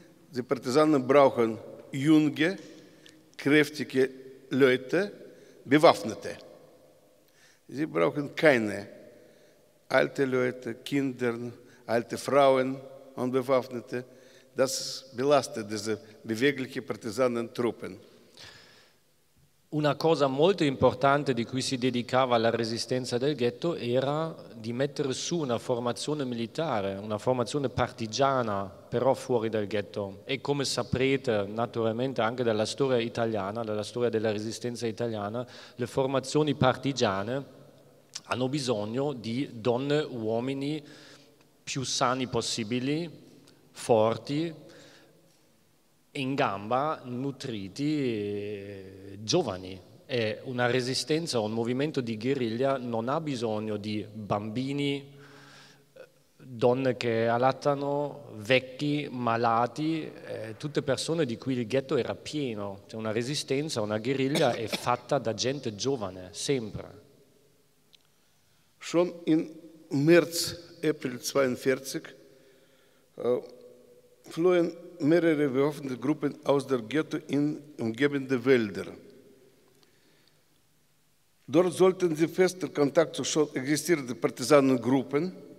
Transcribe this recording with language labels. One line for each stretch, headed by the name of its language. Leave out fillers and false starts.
German: Die Partisanen brauchen junge, kräftige Leute, bewaffnete. Sie brauchen keine alte Leute, Kinder, alte Frauen und bewaffnete. Das belastet diese bewegliche Partisanentruppen.
Italian: Una cosa molto importante di cui si dedicava alla resistenza del ghetto era di mettere su una formazione militare, una formazione partigiana, però fuori dal ghetto. E come saprete, naturalmente, anche dalla storia italiana, dalla storia della resistenza italiana, le formazioni partigiane hanno bisogno di donne, uomini più sani possibili, forti, in gamba, nutriti, giovani. E una resistenza, un movimento di guerriglia non ha bisogno di bambini, donne che allattano, vecchi, malati, tutte persone di cui il ghetto era pieno. Cioè una resistenza, una guerriglia è fatta da gente giovane, sempre.
German: Schon in März, April 42, flohen mehrere bewaffnete Gruppen aus der Ghetto in umgebende Wälder. Dort sollten sie fester Kontakt zu schon existierenden Partisanengruppen